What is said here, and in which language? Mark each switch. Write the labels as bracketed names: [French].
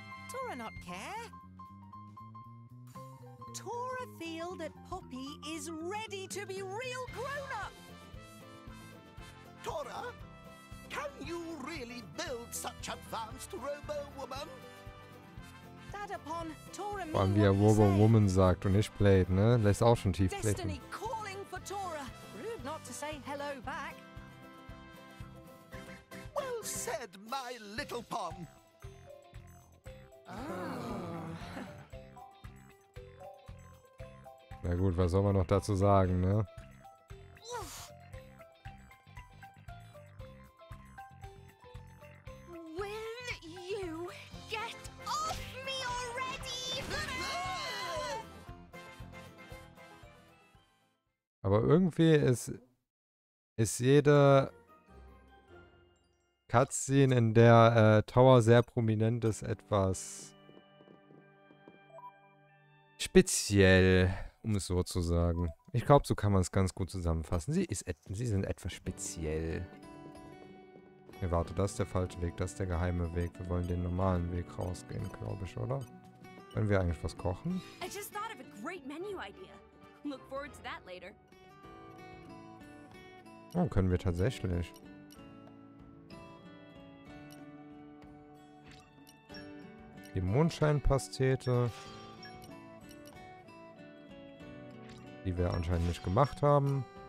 [English] Tora not care. Tora feel that Poppy is ready to be real grown up. Tora, can you really build such advanced Robo Woman? Dadapon, Tora. [German] Vor allem, wie er Robo Woman sagt und nicht Blade, ne? Lässt auch schon tief blicken. [English] Destiny calling for Tora. Rude not to say hello back. Well said, my little Pom. Oh. [German] Na gut, was soll man noch dazu sagen, ne? [English] Will you get off me already? [German] Aber irgendwie ist jeder Cutscene, in der Tower sehr prominent ist, etwas speziell, um es so zu sagen. Ich glaube, so kann man es ganz gut zusammenfassen. Sie sind etwas speziell. Nee, warte, das ist der falsche Weg, das ist der geheime Weg. Wir wollen den normalen Weg rausgehen, glaube ich, oder? Wollen wir eigentlich was kochen? [English] I just thought of a great menu idea. Look forward to that later. [German] Oh, können wir tatsächlich. Die Mondscheinpastete, die wir anscheinend nicht gemacht haben.